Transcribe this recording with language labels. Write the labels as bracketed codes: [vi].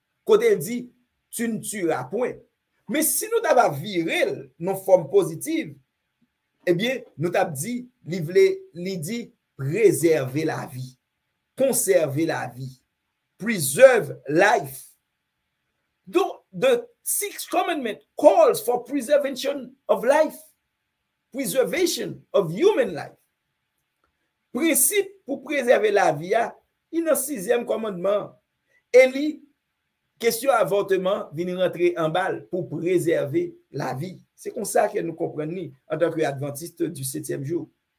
[fr] Quand elle dit, tu ne tueras point. Mais si nous avons viré nos formes positives, eh bien, nous avons dit, lui dit, préserver la vie, conserver la vie, [en] preserve life. Donc, the sixth commandment calls for preservation of life. Preservation of human life. [fr] Principe pour préserver la vie, il y a un sixième commandement. Et question avortement, vient rentrer en balle pour préserver la vie. C'est comme ça que nous comprenons en tant qu'adventiste du septième jour.